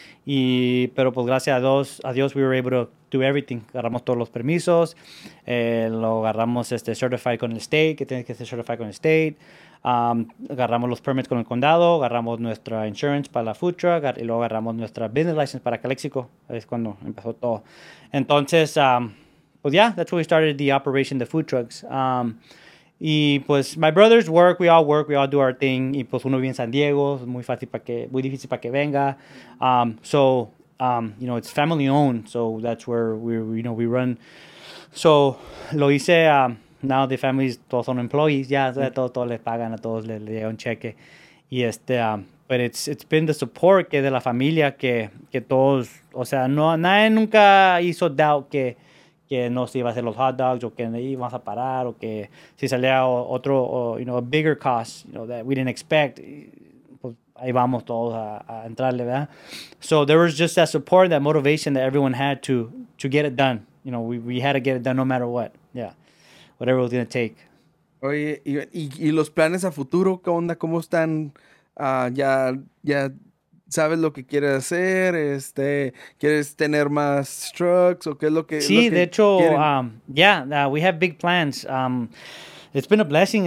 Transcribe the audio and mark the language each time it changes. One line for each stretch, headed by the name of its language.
Spanish: Y, pero pues gracias a Dios,
English: we were able to do everything.
Spanish: Agarramos todos los permisos, lo agarramos este, certified con el state, que tienes que ser certified con el state. Agarramos los permits con el condado, agarramos nuestra insurance para la food truck, y luego agarramos nuestra business license para Calexico. Es cuando empezó todo. Entonces, pues
English: yeah, that's where we started the operation, the food trucks.
Spanish: Y pues,
English: my brothers work, we all do our thing.
Spanish: Y pues, uno vive en San Diego, es muy fácil para que, muy difícil para que venga.
English: You know, it's family owned, so that's where we, you know, we run. So,
Spanish: lo hice,
English: now the families, todos son employees, ya, yeah, mm-hmm.
Spanish: todos les pagan, a todos les llega un cheque. Y este,
English: but it's been the support
Spanish: que de la familia que todos, o sea, no, nadie nunca hizo doubt que no se iba a hacer los hot dogs, o que íbamos a parar, o que si salía otro, o, you know,
English: a bigger cost, you know, that we didn't expect,
Spanish: pues ahí vamos todos a entrarle, ¿verdad?
English: So there was just that support, that motivation that everyone had to get it done. You know, we had to get it done no matter what. Yeah, whatever it was going to take.
Spanish: Oye, y los planes a futuro, ¿qué onda? ¿Cómo están? Ya ¿sabes lo que quieres hacer? Este, ¿quieres tener más trucks? ¿O qué es lo que sí, lo que de hecho,
English: we have big plans. It's been a blessing.